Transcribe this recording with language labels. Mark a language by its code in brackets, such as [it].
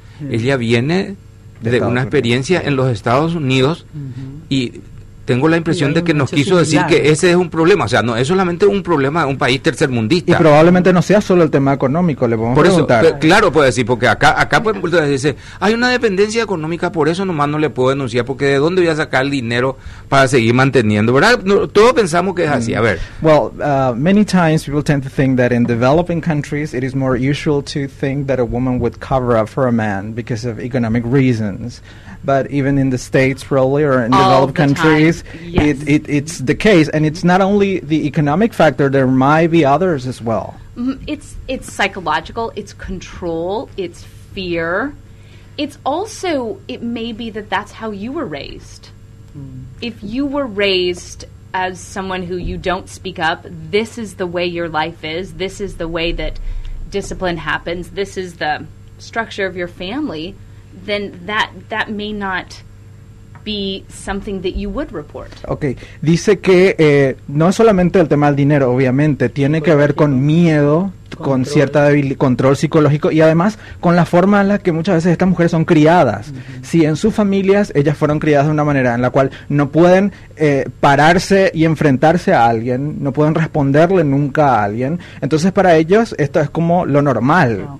[es] Ella viene de una experiencia en los Estados Unidos y tengo la impresión de que nos quiso decir que ese es un problema. O sea, no es solamente un problema de un país tercermundista. Y probablemente no sea solo el tema económico, le podemos preguntar. Claro, puede decir, porque acá pues, dice, hay una dependencia económica, por eso nomás no le puedo denunciar, porque ¿de dónde voy a sacar el dinero para seguir manteniendo? ¿Verdad? No, todos pensamos que es así. A ver. [en] Well, many times people tend to think that in developing countries it is more usual to think that a woman would cover up for a man because of economic reasons. But even in the States, probably, or in developed countries, it's the case. And it's not only the economic factor, there might be others as well. It's psychological, it's control, it's fear. It's also, it may be that that's how you were raised. If you were raised as someone who you don't speak up, this is the way your life is, this is the way that discipline happens, this is the structure of your family, then that may not be something that you would report. [es] Okay. Dice que no es solamente el tema del dinero, obviamente. Tiene que ver con miedo, con cierta control psicológico y además con la forma en la que muchas veces estas mujeres son criadas. Si en sus familias ellas fueron criadas de una manera en la cual no pueden pararse y enfrentarse a alguien, no pueden responderle nunca a alguien, entonces para ellos esto es como lo normal.